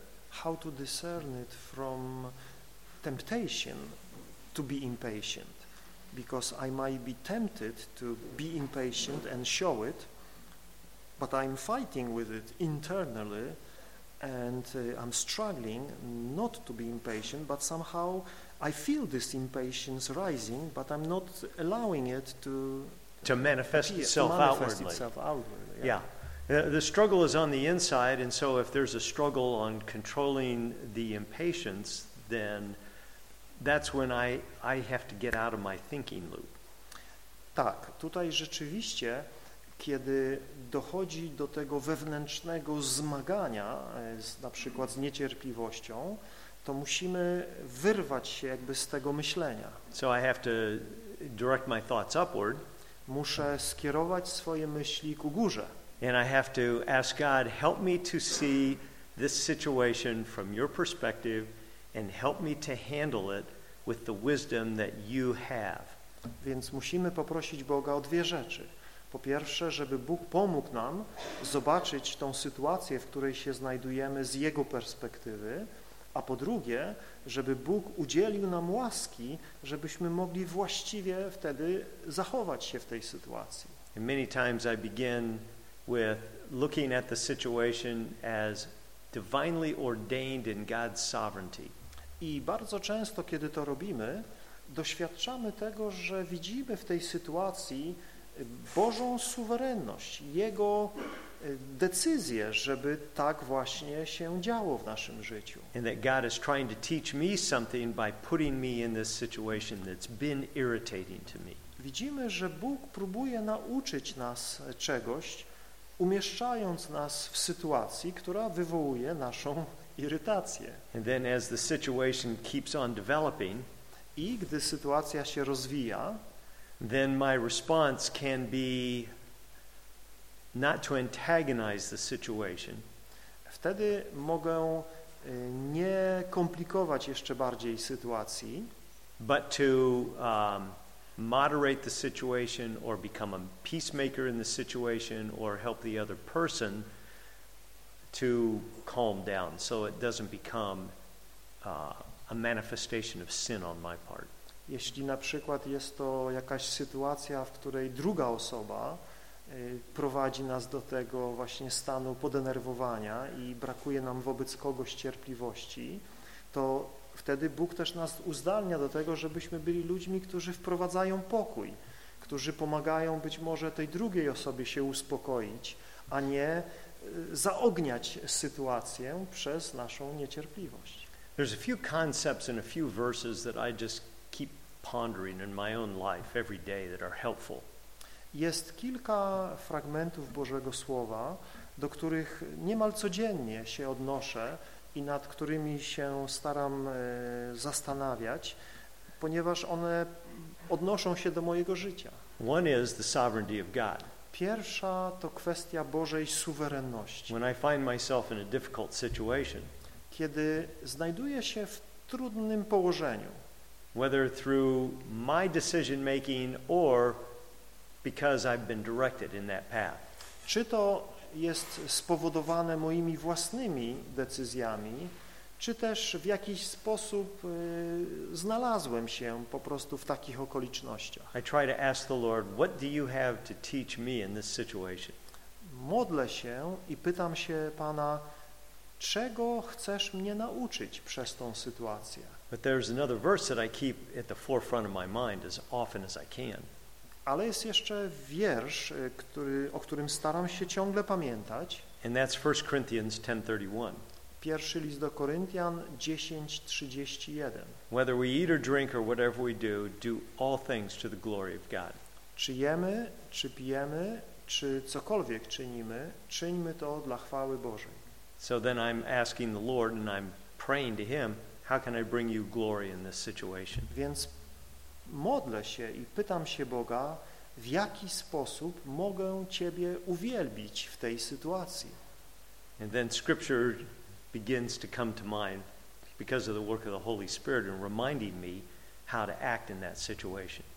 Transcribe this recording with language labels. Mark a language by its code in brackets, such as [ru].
[en] How to discern it from temptation to be impatient, because I might be tempted to be impatient and show it, but I'm fighting with it internally and I'm struggling not to be impatient, but somehow I feel this impatience rising, but I'm not allowing it to manifest itself outwardly. Yeah. The struggle is on the inside, and so if there's a struggle on controlling the impatience, then that's when I have to get out of my thinking loop. [pl] Tak, tutaj rzeczywiście, kiedy dochodzi do tego wewnętrznego zmagania, na przykład z niecierpliwością, to musimy wyrwać się jakby z tego myślenia. [en] So I have to direct my thoughts upward. [pl] Muszę skierować swoje myśli ku górze. [en] And I have to ask God, help me to see this situation from your perspective and help me to handle it with the wisdom that you have. [pl] Więc musimy poprosić Boga o dwie rzeczy. Po pierwsze, żeby Bóg pomógł nam zobaczyć tą sytuację, w której się znajdujemy z Jego perspektywy, a po drugie, żeby Bóg udzielił nam łaski, żebyśmy mogli właściwie wtedy zachować się w tej sytuacji. [en] And many times I begin with looking at the situation as divinely ordained in God's sovereignty. [pl] I bardzo często, kiedy to robimy, doświadczamy tego, że widzimy w tej sytuacji Bożą suwerenność, Jego decyzję, żeby tak właśnie się działo w naszym życiu. [en] And that God is trying to teach me something by putting me in this situation that's been irritating to me. [pl] Widzimy, że Bóg próbuje nauczyć nas czegoś, umieszczając nas w sytuacji, która wywołuje naszą irytację. [en] And then as the situation keeps on developing, [pl] i gdy sytuacja się rozwija, [en] then my response can be not to antagonize the situation. [pl] Wtedy mogę nie komplikować jeszcze bardziej sytuacji, [en] but to moderate the situation or become a peacemaker in the situation or help the other person to calm down so it doesn't become a manifestation of sin on my part. [pl] Jeśli na przykład jest to jakaś sytuacja, w której druga osoba prowadzi nas do tego właśnie stanu podenerwowania i brakuje nam wobec kogoś cierpliwości, to wtedy Bóg też nas uzdalnia do tego, żebyśmy byli ludźmi, którzy wprowadzają pokój, którzy pomagają być może tej drugiej osobie się uspokoić, a nie zaogniać sytuację przez naszą niecierpliwość. [en] There's a few concepts and a few verses that I just keep pondering in my own life every day that are helpful. [pl] Jest kilka fragmentów Bożego Słowa, do których niemal codziennie się odnoszę i nad którymi się staram zastanawiać, ponieważ one odnoszą się do mojego życia. [en] One is the sovereignty of God. [pl] Pierwsza to kwestia Bożej suwerenności. [en] When I find myself in a difficult situation, [pl] kiedy znajduję się w trudnym położeniu, [en] whether through my decision making or because I've been directed in that path. [pl] Czy to jest spowodowane moimi własnymi decyzjami, czy też w jakiś sposób znalazłem się po prostu w takich okolicznościach. [en] I try to ask the Lord, what do you have to teach me in this situation? [pl] Modlę się i pytam się Pana, czego chcesz mnie nauczyć przez tą sytuację. [en] But there's another verse that I keep at the forefront of my mind as often as I can. [pl] Ale jest jeszcze wiersz, o którym staram się ciągle pamiętać. [en] And that's 1 Corinthians 10:31. [pl] Pierwszy list do Koryntian 10:31. [en] Whether we eat or drink or whatever we do, do all things to the glory of God. [pl] Czy jemy, czy pijemy, czy cokolwiek czynimy, czyńmy to dla chwały Bożej. [en] So then I'm asking the Lord and I'm praying to him, how can I bring you glory in this situation? [pl] Więc modlę się i pytam się Boga, w jaki sposób mogę Ciebie uwielbić w tej sytuacji. [en] And then scripture begins to come to mind because of the work of the Holy Spirit and reminding me how to act in that situation.